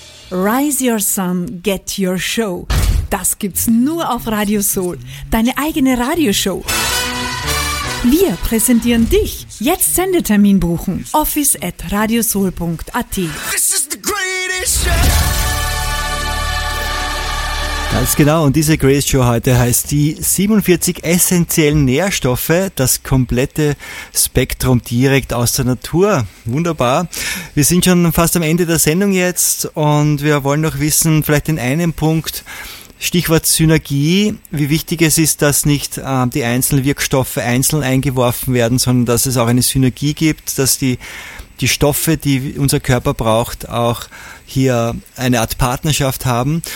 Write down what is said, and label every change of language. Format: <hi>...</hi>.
<en>Raise Your Sun, Get Your Show.</en> <de>Das gibt's nur auf Radio Soul. Deine eigene Radioshow. Wir präsentieren dich. Jetzt Sendetermin buchen. office@radiosoul.at.</de> <en>This is the greatest show.</en> <de>Ganz genau. Und diese Greatest Show heute heißt die 47 essentiellen Nährstoffe. Das komplette Spektrum direkt aus der Natur. Wunderbar. Wir sind schon fast am Ende der Sendung jetzt. Und wir wollen noch wissen, vielleicht in einem Punkt, Stichwort Synergie, wie wichtig es ist, dass nicht die einzelnen Wirkstoffe einzeln eingeworfen werden, sondern dass es auch eine Synergie gibt, dass die Stoffe, die unser Körper braucht, auch hier eine Art Partnerschaft haben.</de>